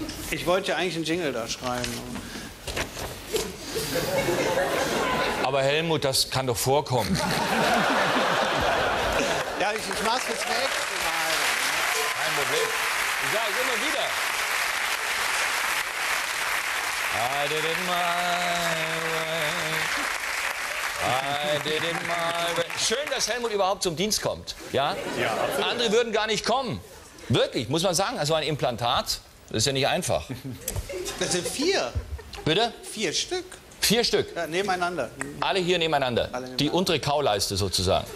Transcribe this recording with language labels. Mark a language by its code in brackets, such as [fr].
[de] Ich wollte ja eigentlich einen Jingle da schreiben. Aber Helmut, das kann doch vorkommen. Ja, ich mach's jetzt nächste Mal. Kein Problem. Ich sage es immer wieder. [en] I did it my way. I did it my way. [de] Schön, dass Helmut überhaupt zum Dienst kommt. Ja? Ja, absolut. Andere würden gar nicht kommen. Wirklich, muss man sagen. Also ein Implantat, das ist ja nicht einfach. Das sind 4. Bitte? 4 Stück. 4 Stück? Ja, nebeneinander. Alle hier nebeneinander? Alle nebeneinander. Die untere Kauleiste sozusagen?